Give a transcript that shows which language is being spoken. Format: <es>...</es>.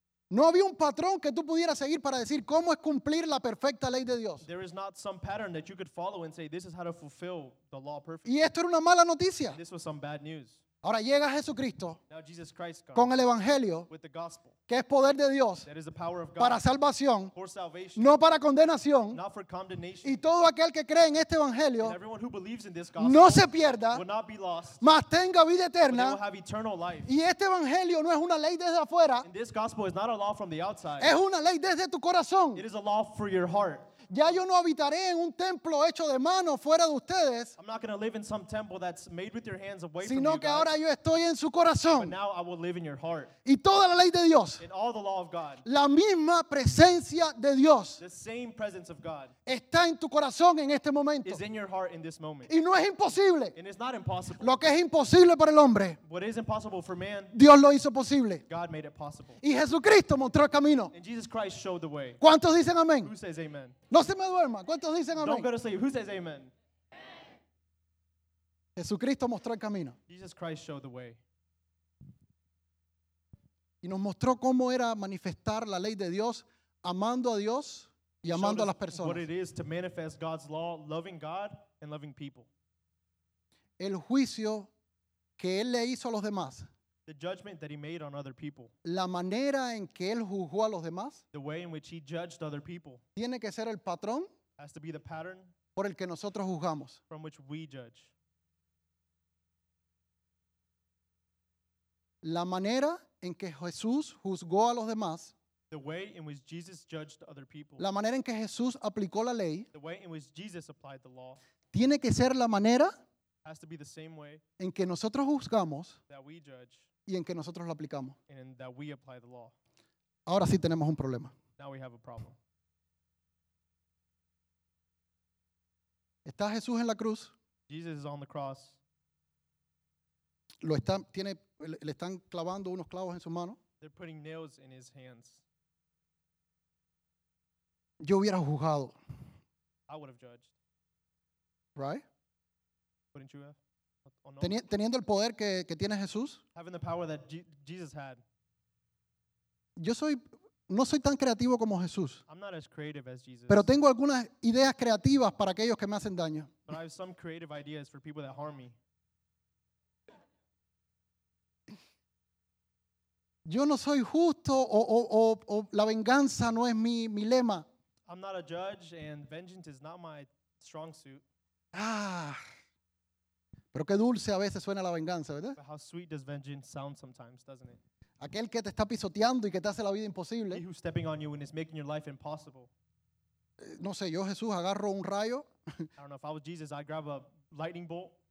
<es>No había un patrón que tú pudieras seguir para decir cómo es cumplir la perfecta ley de Dios.</es> <en>There is not some pattern that you could follow and say this is how to fulfill the law perfectly.</en> <es>Y esto era una mala noticia.</es> <en>This was some bad news.</en> <es>Ahora llega Jesucristo.</es> <en>Now Jesus Christ comes.</en> <es>Con el evangelio.</es> <en>With the gospel.</en> <es>Que es poder de Dios.</es> <en>That is the power of God.</en> <es>Para salvación.</es> <en>For salvation.</en> <es>No para condenación.</es> <en>Not for condemnation.</en> <es>Y todo aquel que cree en este evangelio.</es> <en>And everyone who believes in this gospel.</en> <es>No se pierda.</es> <en>Will not be lost.</en> <es>Mas tenga vida eterna.</es> <en>But they will have eternal life.</en> <es>Y este evangelio no es una ley desde afuera.</es> <en>And this gospel is not a law from the outside.</en> <es>Es una ley desde tu corazón.</es> <en>It is a law for your heart.</en> <es>Ya yo no habitaré en un templo hecho de manos fuera de ustedes.</es> <en>I'm not going to live in some temple that's made with your hands away from you.</en> <es>Sino que ahora yo estoy en su corazón.</es> <en>But now I will live in your heart.</en> <es>Y toda la ley de Dios.</es> <en>And all the law of God.</en> <es>La misma presencia de Dios.</es> <en>The same presence of God.</en> <es>Está en tu corazón en este momento.</es> <en>Is in your heart in this moment.</en> <es>Y no es imposible.</es> <en>And it's not impossible.</en> <es>Lo que es imposible para el hombre.</es> <en>What is impossible for man.</en> <es>Dios lo hizo posible.</es> <en>God made it possible.</en> <es>Y Jesucristo mostró el camino.</es> <en>And Jesus Christ showed the way.</en> <es>¿Cuántos dicen amén?</es> <en>Who says amen?</en> <es>No se me duerma. ¿Cuántos dicen amén?</es> <en>Don't go to sleep. Who says amen?</en> <es>Jesucristo mostró el camino.</es> <en>Jesus Christ showed the way.</en> <es>Y nos mostró cómo era manifestar la ley de Dios, amando a Dios y amando a las personas.</es> <en>What it is to manifest God's law, loving God and loving people.</en> <es>El juicio que él le hizo a los demás.</es> <en>The judgment that he made on other people.</en> <es>La manera en que él juzgó a los demás.</es> <en>The way in which he judged other people.</en> <es>Tiene que ser el patrón.</es> <en>Has to be the pattern.</en> <es>Por el que nosotros juzgamos.</es> <en>From which we judge.</en> <es>La manera en que Jesús juzgó a los demás.</es> <en>The way in which Jesus judged other people.</en> <es>La manera en que Jesús aplicó la ley.</es> <en>The way in which Jesus applied the law.</en> <es>Tiene que ser la manera.</es> <en>Has to be the same way.</en> <es>En que nosotros juzgamos.</es> <en>That we judge.</en> <es>Y en que nosotros lo aplicamos.</es> <en>And that we apply the law.</en> <es>Ahora sí tenemos un problema.</es> <en>Now we have a problem.</en> <es>Está Jesús en la cruz.</es> <en>Jesus is on the cross.</en> <es>Le están clavando unos clavos en su mano.</es> <en>They're putting nails in his hands.</en> <es>Yo hubiera juzgado.</es> <en>I would have judged. Right? Wouldn't you have?</en> <es>Teniendo el poder que tiene Jesús,</es> <en>having the power that Jesus had.</en> <es>No soy tan creativo como Jesús,</es> <en>I'm not as creative as Jesus.</en> <es>Pero tengo algunas ideas creativas para aquellos que me hacen daño.</es> <en>But I have some creative ideas for people that harm me.</en> <es>Yo no soy justo o la venganza no es mi lema.</es> <en>I'm not a judge, and vengeance is not my strong suit.</en> <es>Ah, pero qué dulce a veces suena la venganza, ¿verdad?</es> <en>But how sweet does vengeance sound sometimes, doesn't it?</en> <es>Aquel que te está pisoteando y que te hace la vida imposible.</es> <en>He who's stepping on you and is making your life impossible.</en> <es>No sé, yo Jesús agarro un rayo.</es> <en>I don't know if I was Jesus, I'd grab a lightning bolt.</en>